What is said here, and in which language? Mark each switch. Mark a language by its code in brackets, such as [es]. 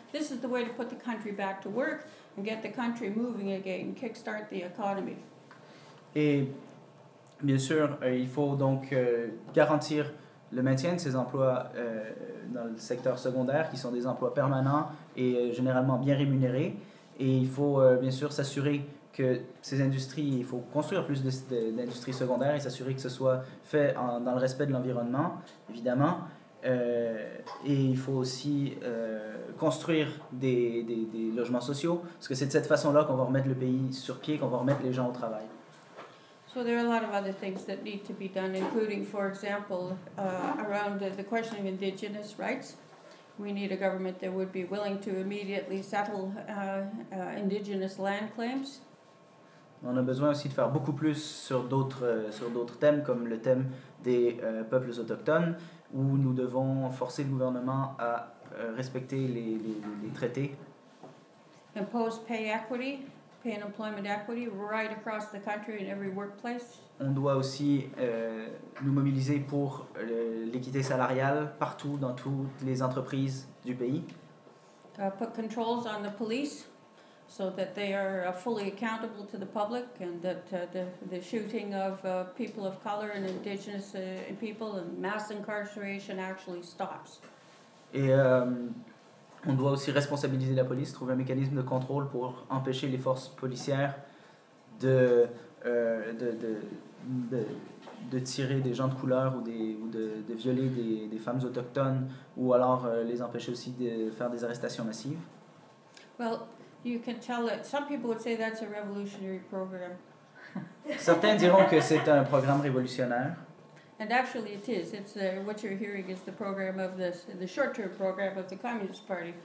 [en] This is the way to put the country back to work and get the country moving again, kickstart the economy. [fr] Et bien sûr, il faut donc garantir le maintien de ces emplois dans le secteur secondaire, qui sont des emplois permanents et généralement bien rémunérés. Et il faut bien sûr s'assurer que ces industries, il faut construire plus d'industries secondaires et s'assurer que ce soit fait dans le respect de l'environnement, évidemment. Et il faut aussi construire des logements sociaux, parce que c'est de cette façon-là qu'on va remettre le pays sur pied, qu'on va remettre les gens au travail. [en] So there are a lot of other things that need to be done, including, for example, around the question of indigenous rights. We need a government that would be willing to immediately settle indigenous land claims. [fr] On a besoin aussi de faire beaucoup plus sur d'autres thèmes, comme le thème des peuples autochtones, où nous devons forcer le gouvernement à respecter les traités. [en] Impose pay equity, pay and employment equity, right across the country in every workplace. [fr] On doit aussi nous mobiliser pour l'équité salariale partout dans toutes les entreprises du pays. [en] Put controls on the police so that they are fully accountable to the public and that the shooting of people of color and indigenous people and mass incarceration actually stops. [fr] Et on doit aussi responsabiliser la police, trouver un mécanisme de contrôle pour empêcher les forces policières de tirer des gens de couleur ou de violer des femmes autochtones ou alors les empêcher aussi de faire des arrestations massives. [en] Well, you can tell that some people would say that's a revolutionary program. [fr] Certains diront que c'est un programme révolutionnaire. [en] And actually it is. It's what you're hearing is the program of the short-term program of the Communist Party.